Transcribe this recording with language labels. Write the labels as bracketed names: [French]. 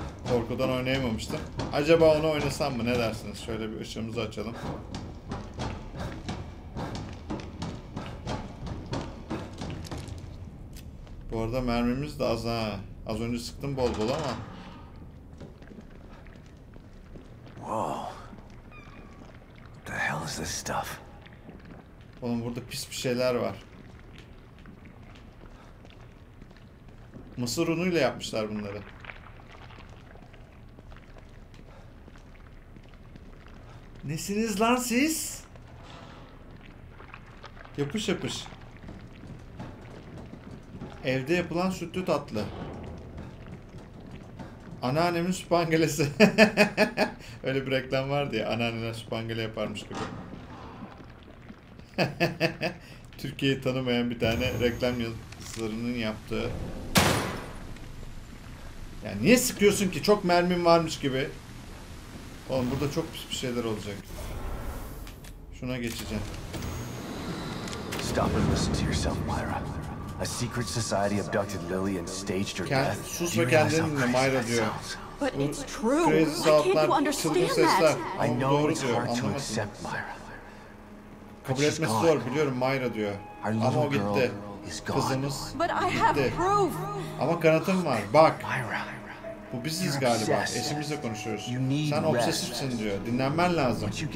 [Turkish] Korkudan oynayamamıştım. Acaba onu oynasam mı? Ne dersiniz? Şöyle bir ışığımızı açalım. Bu arada mermimiz de az ha. Az önce sıktım bol bol ama. Whoa. [English] What the hell is this stuff? [Turkish] Oğlum burada pis bir şeyler var. Mısır unuyla yapmışlar bunları. Nesiniz lan siz? Yapış yapış. Evde yapılan sütlü tatlı. Anneannemin süpangelesi. Öyle bir reklam vardı ya, anneannemin süpangele yaparmış gibi. Türkiye'yi tanımayan bir tane reklam yazarının yaptığı. Ya niye sıkıyorsun ki? Çok mermin varmış gibi. Oğlum burada çok pis bir şeyler olacak. Şuna geçeceğim. [English] Stop and listen to yourself, Myra. A secret society abducted Lily and staged her death. [Turkish] Sus ve kendini dinle, Myra diyor. [English] But it's true. I can't understand that. I know it's hard to accept, Myra. [Turkish] Kabul etmesi zor, biliyorum, Myra diyor. Ama o gitti. Kızımız gitti. Ama kanıtım var, bak. Bu biziz galiba, eşimizle konuşuyoruz. Sen obsesifsin diyor, dinlenmen lazım.